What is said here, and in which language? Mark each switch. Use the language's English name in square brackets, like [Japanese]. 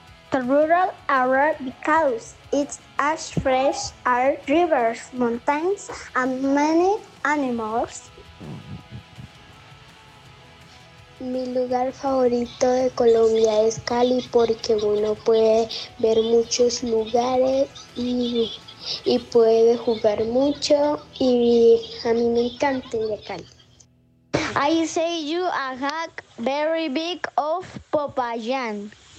[English] The rural area, because it's as fresh as rivers, mountains, and many animals. [Spanish] Mi lugar favorito de Colombia es Cali porque uno puede ver muchos lugares y puede jugar mucho y a mí me encanta ir a Cali. [English] I say you a hug very big of Popayán.